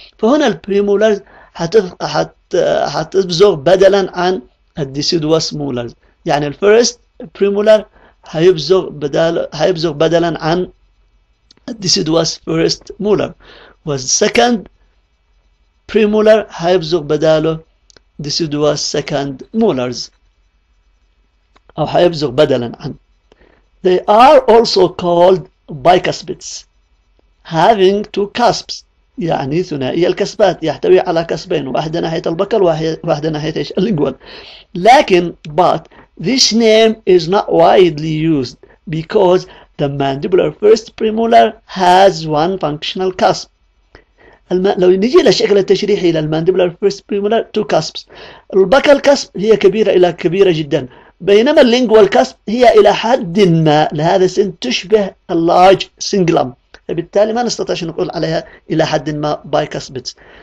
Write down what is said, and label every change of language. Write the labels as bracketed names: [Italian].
[Arabic] فهنا البريمولرز هتبزغ بدلا عن الديسيدوس مولرز، يعني الفيرست بريمولر هيبزغ بدلا عن الديسيدوس فيرست مولر، والسكند بريمولر هيبزغ بداله ديسيدوس سكند مولرز، أو هيبزغ بدلا عن. [English] They are also called bicuspids having two cusps، [Arabic] يعني ثنائي الكسبات يحتوي على كسبين، واحدة ناحية البكال واحدة ناحية اللينجوال. لكن [English] but this name is not widely used because the mandibular first premolar has one functional cusp. [Arabic] لو نجي للشكل التشريحي للماندبلر [English] first premolar two cusps، [Arabic] البكال كسب هي كبيرة إلى كبيرة جدا، بينما اللينجوال كسب هي إلى حد ما لهذا السن تشبه اللارج سنجلم، فبالتالي ما نستطيع نقول عليها إلى حد ما bicuspids.